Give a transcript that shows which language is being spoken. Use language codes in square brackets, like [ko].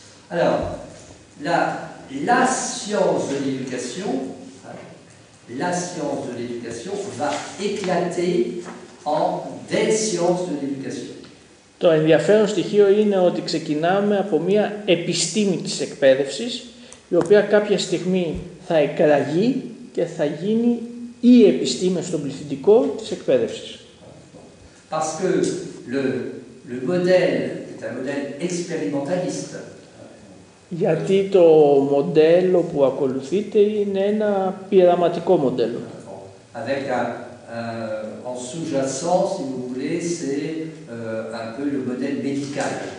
[fr] Alors, la science de l'éducation, la science de l'éducation va éclater en des sciences de l'éducation. [el] Το ενδιαφέρον στοιχείο είναι ότι ξεκινάμε από μια επιστήμη της εκπαίδευσης, η οποία κάποια στιγμή θα εκραγεί και θα γίνει η επιστήμη στον πληθυντικό της εκπαίδευσης. [fr] Parce que le modèle est un modèle expérimentaliste. [el] Γιατί το μοντέλο που ακολουθείτε είναι ένα πειραματικό μοντέλο. [fr] Avec un, en sous-jacent, si vous voulez, c'est un peu le modèle médical.